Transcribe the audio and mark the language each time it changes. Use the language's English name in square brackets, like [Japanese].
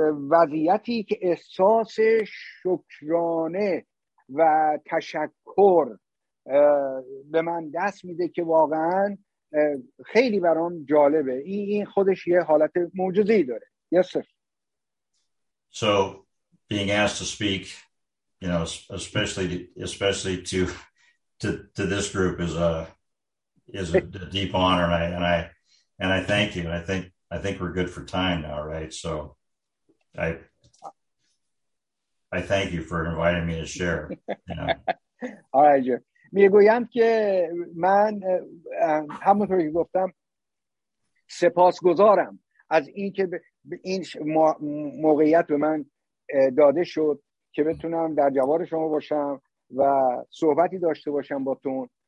[Persian] وضعیتی که احساس شکرانه و تشکر به من دست میده که واقعا خیلی برام جالبه. این خودش یه حالت معجزه‌ای داره. [English] یسر. So being asked to speak, you know, especially to this group is a deep honor, and I thank you, and I think we're good for time now, right? So I thank you for inviting me to share. All right, Jeff. [Persian] میگویم که من همونطوری که گفتم سپاسگزارم از این که این موقعیت به من داده شد که بتونم در جوار شما باشم و صحبتی داشته باشم با تون.